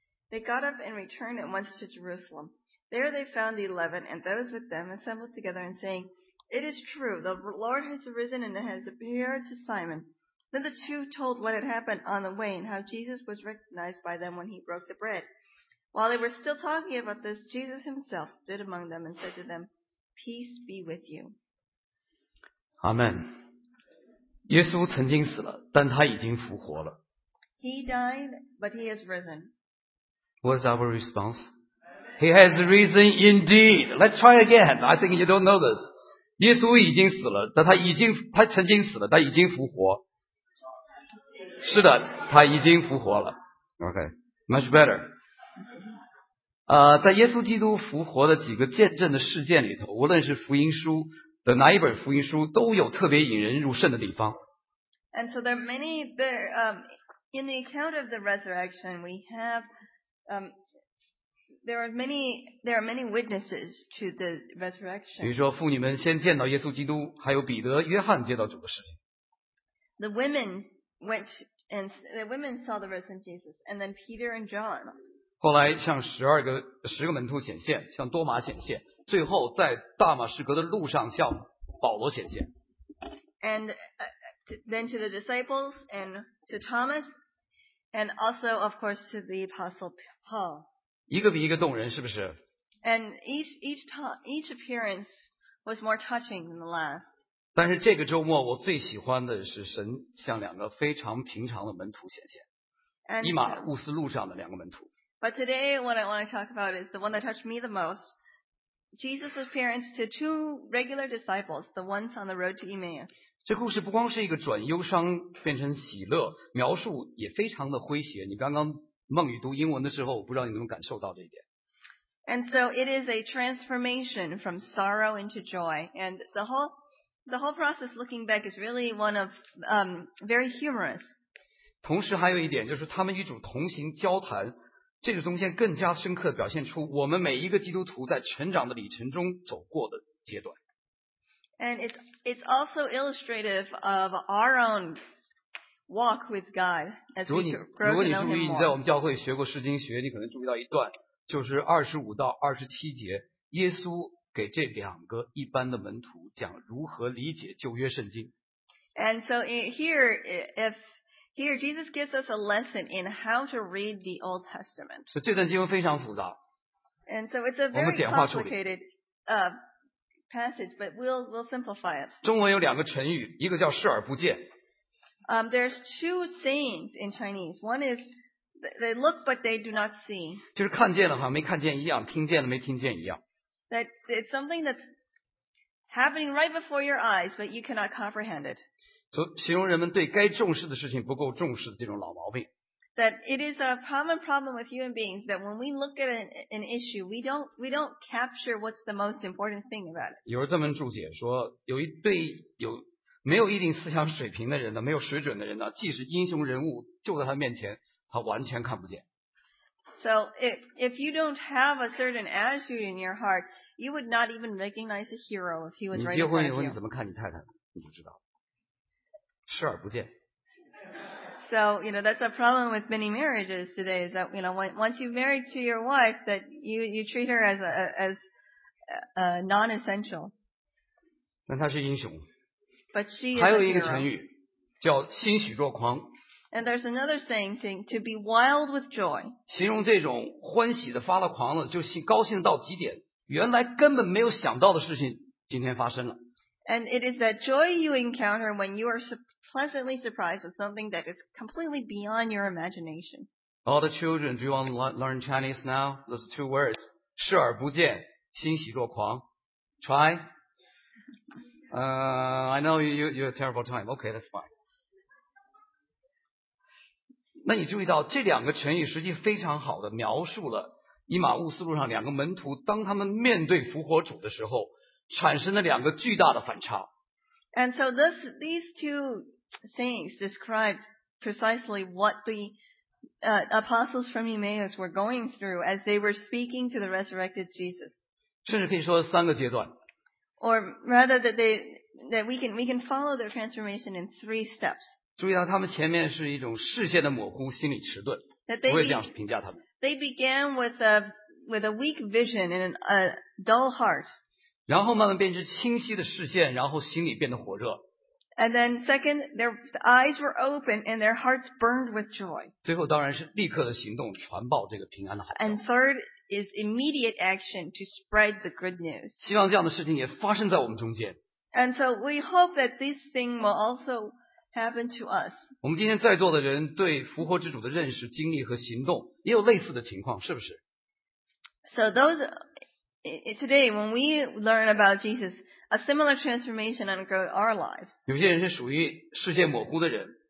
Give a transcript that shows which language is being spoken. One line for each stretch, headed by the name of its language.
English: They got up and returned at once to Jerusalem. There they found the 11 and those with them assembled together and saying, It is true, the Lord has arisen and has appeared to Simon. Then the two told what had happened on the way and how Jesus was recognized by them when he broke the bread. While they were still talking about this, Jesus himself stood among them and said to them, Peace be with you. Amen.
Chinese: 耶稣曾经死了，但他已经复活了。
English: He died, but he has risen. What's our response? He has risen indeed. Let's try again. I think you don't know this.
Chinese: 耶稣已经死了，但他曾经死了，他已经复活。是的，他已经复活了。
English: OK, much better.
Chinese: 在耶稣基督复活的几个见证的事件里头，无论是福音书的哪一本福音书，都有特别引人入胜的地方。
English: And so there are many there, in the account of the resurrection, we have, there are many witnesses to the resurrection.
Chinese: 比如说，妇女们先见到耶稣基督，还有彼得、约翰见到主的事情。
English: The women went. And the women saw the risen Jesus, and then Peter and John.
Chinese: 后来向十个门徒显现，向多马显现，最后在大马士革的路上向保罗显现。
English: And then to the disciples and to Thomas, and also of course to the apostle Paul.
Chinese: 一个比一个动人，是不是
English: ？And each appearance was more touching than the last.
Chinese: 但是这个周末我最喜欢的是神向两个非常平常的门徒显现，以马忤斯路上的两个门徒。
English: But today, what I want to talk about is the one that touched me the most, Jesus' appearance to two regular disciples, the ones on the road to Emmaus.
Chinese: 这故事不光是一个转忧伤变成喜乐，描述也非常的诙谐。你刚刚孟雨读英文的时候，我不知道你能不能感受到这一点。
English: And so it is a transformation from sorrow into joy, and the whole process looking back is really one of very humorous.
Chinese: 同时还有一点就是他们与主同行交谈，这个中间更加深刻表现出我们每一个基督徒在成长的里程中走过的阶段。
English: And it's also illustrative of our own walk with God as we grow.
Chinese: 如果你注意，你在我们教会学过释经学，你可能注意到一段，就是25到27节，耶稣给这两个一般的门徒讲如何理解旧约圣经。
English: And so here, here Jesus gives us a lesson in how to read the Old Testament.
Chinese: 这段经文非常复杂。
English: And so it's a very complicated passage, but we'll simplify it.
Chinese: 中文有两个成语，一个叫视而不见。
English: There's two sayings in Chinese. One is they look but they do not see.
Chinese: 就是看见了好像没看见一样，听见了没听见一样。
English: That it's something that's happening right before your eyes, but you cannot comprehend it.
Chinese: 形容人们对该重视的事情不够重视的这种老毛病。
English: That it is a common problem with human beings that when we look at an issue, we don't capture what's the most important thing about it.
Chinese: 有人这么注解说，有一对有没有一定思想水平的人呢，没有水准的人呢，即使英雄人物就在他面前，他完全看不见。
English: So if you don't have a certain attitude in your heart, you would not even recognize a hero if he was right in front of you.
Chinese: 你结婚以后你怎么看你太太，你就知道了，视而不见。
English: So, you know, that's a problem with many marriages today is that, you know, once you've married to your wife, that you treat her as a non-essential.
Chinese: 但她是英雄。
English: But she is.
Chinese: 还有一个成语叫欣喜若狂。
English: And there's another saying, to be wild with joy.
Chinese: 形容这种欢喜的发了狂了，就高兴到极点，原来根本没有想到的事情今天发生了。
English: And it is that joy you encounter when you are pleasantly surprised with something that is completely beyond your imagination. All the children, do you want to learn Chinese now? Those two words,
Chinese: 视而不见，欣喜若狂。
English: Try. I know you have a terrible time. Okay, that's fine.
Chinese: 那你注意到这两个成语实际非常好的描述了以马忤斯路上两个门徒当他们面对复活主的时候产生了两个巨大的反差。
English: And so these two sayings describe precisely what the apostles from Emmaus were going through as they were speaking to the resurrected Jesus.
Chinese: 甚至可以说三个阶段。
English: Or rather that we can follow their transformation in three steps.
Chinese: 注意到他们前面是一种视线的模糊，心理迟钝。我也这样评价他们。
English: They began with a weak vision and a dull heart.
Chinese: 然后慢慢变成清晰的视线，然后心里变得火热。
English: And then second, their eyes were open and their hearts burned with joy.
Chinese: 最后当然是立刻的行动，传报这个平安的好消息。
English: And third is immediate action to spread the good news.
Chinese: 希望这样的事情也发生在我们中间。
English: And so we hope that this thing will also happen to us.
Chinese: 我们今天在座的人对复活之主的认识、经历和行动也有类似的情况，是不是？
English: So today when we learn about Jesus, a similar transformation undergoes our lives.
Chinese: 有些人是属于视线模糊的人。